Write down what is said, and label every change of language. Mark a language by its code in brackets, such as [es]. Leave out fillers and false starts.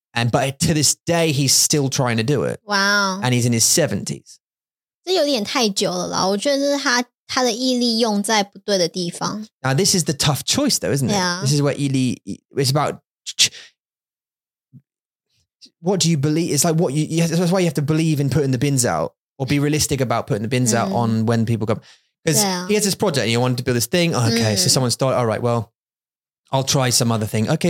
[en] But to this day, he's still trying to do it. Wow. And he's in his 70s. [zh] 这有点太久了啦。我觉得是他的毅力用在不对的地方。 [en] Now, this is the tough choice though, isn't it? Yeah. This is where 毅力, it's about... What do you believe? It's like what you, that's why you have to believe in putting the bins out or be realistic about putting the bins out on when people come. Because he has this project and he wanted to build this thing. Okay. So someone started, all right, well, I'll try some other thing. Okay.